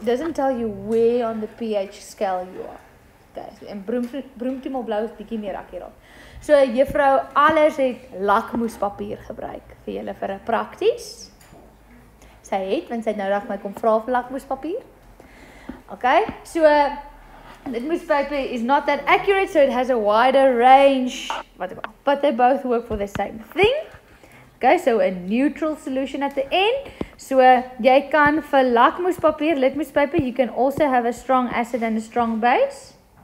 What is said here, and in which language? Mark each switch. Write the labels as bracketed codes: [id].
[en] It doesn't tell you where on the pH scale you are. [af] Okay. So, en broemtiemol blou is bietjie meer akuraat. So juffrou alles het lakmus papier gebruik vir julle vir 'n prakties. Sy het, want sy het nou dag my kom vra vir lakmoespapier. [en] Okay, so, litmus paper is not that accurate, so it has a wider range. But they both work for the same thing. Okay, so a neutral solution at the end. [af] So jy kan vir lakmoespapier, [en] litmoespaper, you can also have a strong acid and a strong base.